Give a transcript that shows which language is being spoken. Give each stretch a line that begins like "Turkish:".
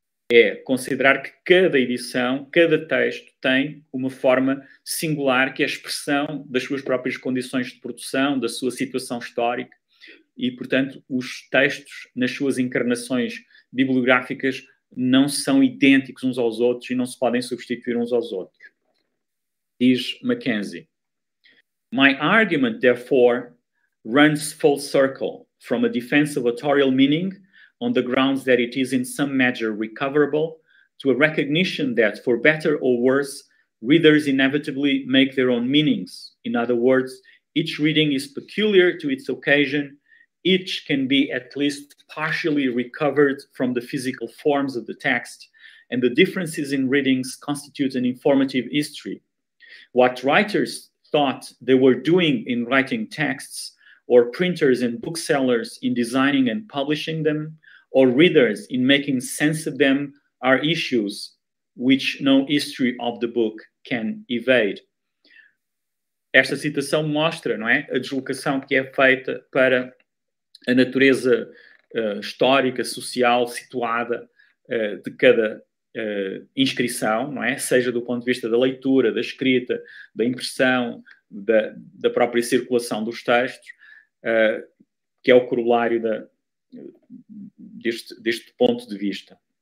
Portuguese: É considerar que cada edição, cada texto tem uma forma singular que é a expressão das suas próprias condições de produção, da sua situação histórica, e, portanto, os textos, nas suas encarnações bibliográficas, não são idênticos uns aos outros e não se podem substituir uns aos outros.
English: Diz Mackenzie: "My argument, therefore, runs full circle from a defense of authorial meaning on the grounds that it is in some measure recoverable, to a recognition that, for better or worse, readers inevitably make their own meanings. In other words, each reading is peculiar to its occasion, each can be at least partially recovered from the physical forms of the text, and the differences in readings constitute an informative history. What writers thought they were doing in writing texts, or printers and booksellers in designing and publishing them, or readers in making sense of them, are issues which no history of the book can evade."
Portuguese: Esta citação mostra, não é, a deslocação que é feita para a natureza histórica, social, situada de cada inscrição, não é, seja do ponto de vista da leitura, da escrita, da impressão, da própria circulação dos textos, que é o corolário deste ponto de vista.